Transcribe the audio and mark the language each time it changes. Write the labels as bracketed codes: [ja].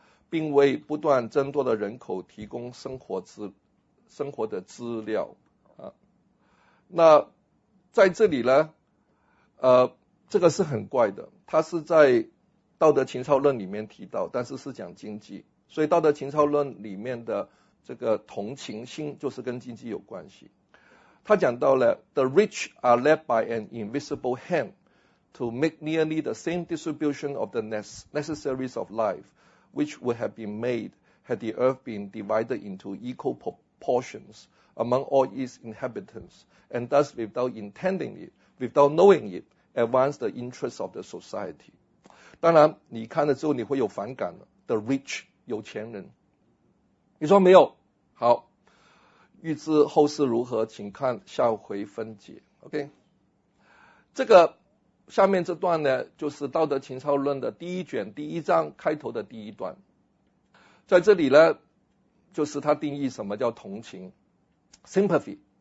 [zh] 并为不断增多的人口提供生活的资料啊。那在这里呢，这个是很怪的，它是在《道德情操论》里面提到，但是是讲经济，所以《道德情操论》里面的这个同情心就是跟经济有关系。他讲到了 [en] The rich are led by an invisible hand to make nearly the same distribution of the necessaries of life which would have been made had the earth been divided into equal proportions among all its inhabitants and thus without intending it, without knowing it, advance the interests of the society. [zh] 当然你看了之后你会有反感了， [en] The rich, [zh] 有钱人。你说没有，好，预知后事如何请看下回分解。 OK， 这个下面这段呢就是道德情操论的第一卷第一章开头的第一段，在这里呢就是他定义什么叫同情 sympathy。